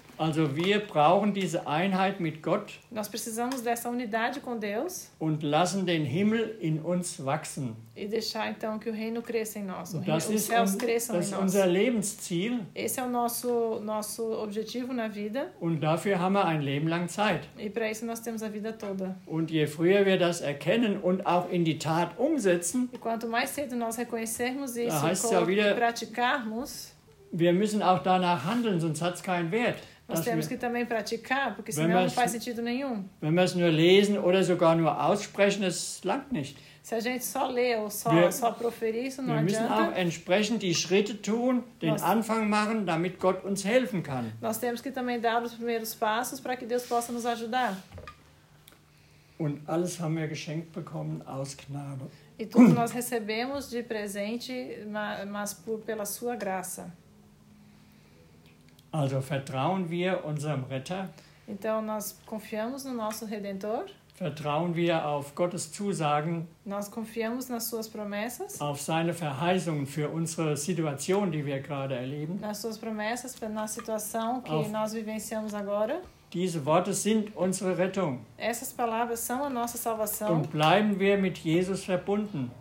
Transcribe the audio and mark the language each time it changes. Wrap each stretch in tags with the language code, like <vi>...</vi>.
<de>Also wir brauchen diese Einheit mit Gott.</de> <pt>Nós precisamos dessa unidade com Deus.</pt> <de>Und lassen den Himmel in uns wachsen.</de> <pt>E deixar então que o reino cresça em nós. Os céus cresçam em nós.</pt> <de>Das ist unser Lebensziel.</de> <pt>Esse é o nosso objetivo na vida.</pt> <de>Und dafür haben wir ein Leben lang Zeit.</de> <pt>E para isso nós temos a vida toda.</pt> <de>Und je früher wir das erkennen und auch in die Tat umsetzen.</de> <pt>E quanto mais cedo nós reconhecermos isso</pt> <de>da heißt es ja wieder,</de> <pt>e praticarmos.</pt> <de>Wir müssen auch danach handeln, sonst hat es keinen Wert.</de> <pt>Nós temos que também praticar, porque senão não faz sentido nenhum.</pt> <de>Wenn wir es nur lesen oder sogar nur aussprechen, es langt nicht.</de> <pt>Se a gente só lê ou só proferir, isso não adianta.</pt> <de>Wir müssen auch entsprechend die Schritte tun, den Anfang machen, damit Gott uns helfen kann.</de> <pt>Nós temos que também dar os primeiros passos para que Deus possa nos ajudar.</pt> <de>Und alles haben wir geschenkt bekommen aus Gnade.</de> <pt>E tudo nós recebemos de presente, mas pela sua graça.</pt> <de>Also vertrauen wir unserem Retter.</de> <pt>Então nós confiamos no nosso Redentor.</pt> <de>Vertrauen wir auf Gottes Zusagen.</de> <pt>Nós confiamos nas suas promessas.</pt> <de>Auf seine Verheißungen für unsere Situation, die wir gerade erleben.</de> <pt>Nas suas promessas, na situação que auf nós vivenciamos agora.</pt> <de>Diese Worte sind unsere Rettung.</de> <pt>Essas palavras são a nossa salvação.</pt> <de>Und bleiben wir mit Jesus verbunden.</de>